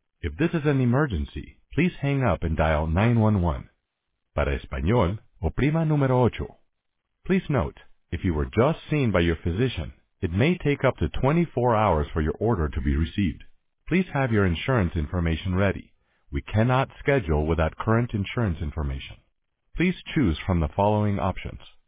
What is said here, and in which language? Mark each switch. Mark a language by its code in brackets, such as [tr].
[en] If this is an emergency, please hang up and dial 911. [es] Para español, oprima número 8. [en] Please note, if you were just seen by your physician, it may take up to 24 hours for your order to be received. Please have your insurance information ready. We cannot schedule without current insurance information. Please choose from the following options.